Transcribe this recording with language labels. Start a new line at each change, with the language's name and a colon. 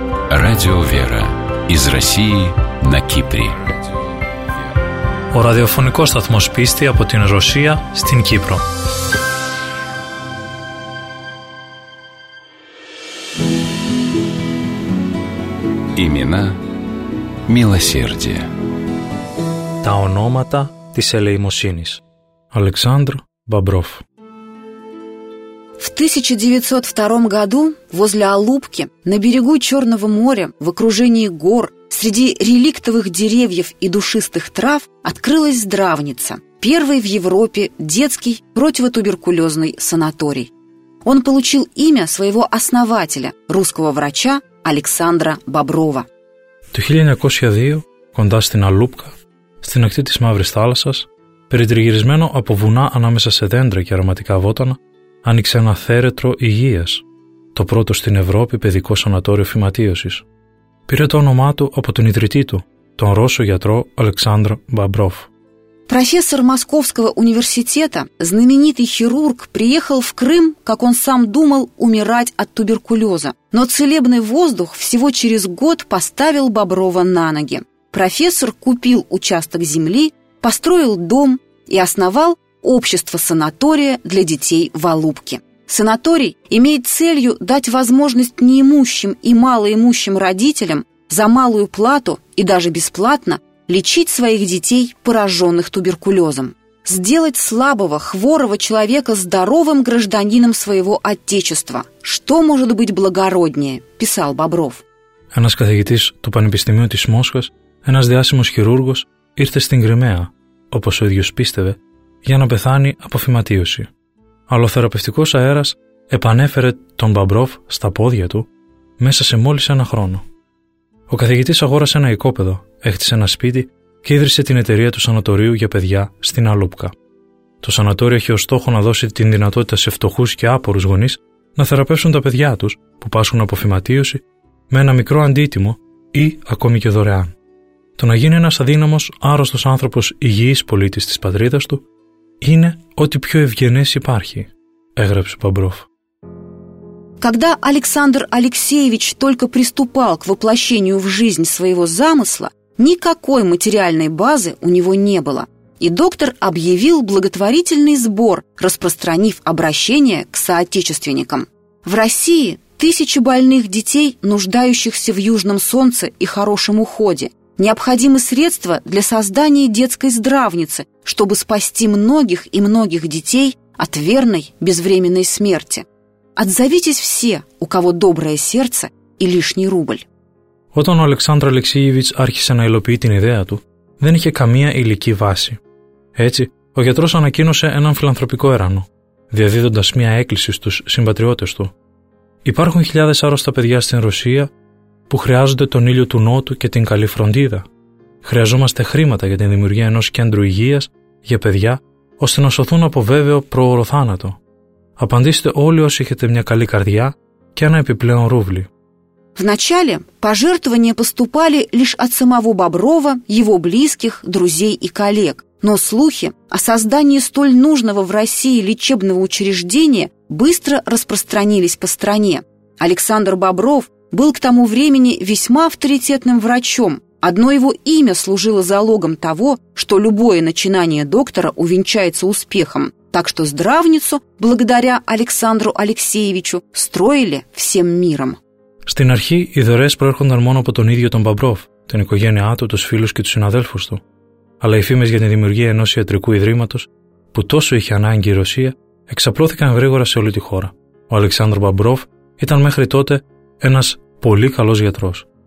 Russian: Радио Вера из России на Кипре.
Greek: Ο ραδιοφωνικός σταθμός πίστη από την Ρωσία στην Κύπρο.
Russian: Имена милосердия.
Greek: Τα ονόματα της ελεημοσύνης. Αλεξάνδρ Μπαμπρόφ.
Russian: В 1902 году возле Алупки, на берегу Черного моря, в окружении гор, среди реликтовых деревьев и душистых трав открылась здравница, первый в Европе детский противотуберкулезный санаторий. Он получил имя своего основателя, русского врача Александра Боброва.
Greek: Το 1902, κοντά στην Αλούπκα, στην ακτή της Μαύρης Θάλασσας, περιτριγυρισμένο από βουνά ανάμεσα σε δέντρα και αρωματικά βότανα, άνοιξε ένα θέρετρο υγείας, το πρώτο στην Ευρώπη παιδικό σανατόριο φυματίωσης. Πήρε το όνομά του από τον ιδρυτή του, τον Ρώσο γιατρό Αλεξάνδρ Μπαμπρόφ.
Russian: Профессор Московского университета, знаменитый хирург, приехал в Крым, как он сам думал, умирать от туберкулеза. Но целебный воздух всего через год поставил Боброва на ноги. Профессор купил участок земли, построил дом и основал общество-санатория для детей в Алупке. Санаторий имеет целью дать возможность неимущим и малоимущим родителям за малую плату и даже бесплатно лечить своих детей, пораженных туберкулезом. Сделать слабого, хворого человека здоровым гражданином своего отечества. Что может быть благороднее, писал Бобров.
Greek: Ένας καθηγητής του Πανεπιστημίου της Μόσχας, ένας διάσημος χειρούργος, ήρθε στην Κρυμαία, όπως ο ίδιος πίστευε, για να πεθάνει από φυματίωση. Αλλά ο θεραπευτικός αέρας επανέφερε τον Μπαμπρόφ στα πόδια του μέσα σε μόλις ένα χρόνο. Ο καθηγητής αγόρασε ένα οικόπεδο, έχτισε ένα σπίτι και ίδρυσε την εταιρεία του σανατορίου για παιδιά στην Αλούπκα. Το σανατόριο έχει ως στόχο να δώσει την δυνατότητα σε φτωχούς και άπορους γονείς να θεραπεύσουν τα παιδιά τους που πάσχουν από φυματίωση με ένα μικρό αντίτιμο ή ακόμη και δωρεάν. Το να γίνει ένας αδύναμος, άρρωστος άνθρωπος υγιής πολίτης της πατρίδας του είναι ό,τι πιο ευγενές υπάρχει, έγραψε ο Μπαμπρόφ.
Russian: Когда Александр Алексеевич только приступал к воплощению в жизнь своего замысла, никакой материальной базы у него не было. И доктор объявил благотворительный сбор, распространив обращение к соотечественникам. В России тысячи больных детей, нуждающихся в южном солнце и хорошем уходе. Необходимы средства для создания детской здравницы, чтобы спасти многих и многих детей от верной безвременной смерти. Отзовитесь все, у кого доброе сердце и лишний рубль.
Greek: Όταν ο Αλεξάνδρ Αλεξίεβιτς άρχισε να υλοποιεί την ιδέα του, δεν είχε καμία υλική βάση. Έτσι, ο γιατρός ανακοίνωσε έναν φιλανθρωπικό έρανο, διαδίδοντας μία έκκληση στους συμπατριώτες του. Υπάρχουν χιλιάδες άρρωστα παιδιά στην Ρωσία που χρειάζονται τον ήλιο του Νότου και την καλή φροντίδα. Χρειαζόμαστε χρήματα για την δημιουργία ενός κέντρου υγείας για παιδιά, ώστε να σωθούν από βέβαιο πρόωρο θάνατο. Απαντήστε όλοι όσοι έχετε μια καλή καρδιά και ένα επιπλέον ρούβλι.
Russian: Вначале пожертвования поступали лишь от самого Боброва, его близких, друзей и коллег. Но слухи о создании столь нужного в России лечебного учреждения быстро распространились по стране. Александр Бобров был к тому времени весьма авторитетным врачом. Одно его имя служило залогом того, что любое начинание доктора увенчается успехом. Так что здравницу, благодаря Александру Алексеевичу, строили всем миром.
Greek: Στην αρχή, οι δωρές προέρχονταν μόνο από τον ίδιο τον Μπαμπρόφ, την οικογένειά του, τους φίλους και τους συναδέλφους του. Αλλά οι φήμες για τη δημιουργία ενός ιατρικού ιδρύματος, που τόσο είχε ανάγκη η Ρωσία, εξαπλώθηκαν γρήγορα σε όλη τη χώρα. Ο Αλεξάνδρ Μπαμπρόφ ήταν μέχρι τότε ένας πολύ καλός γιατρός.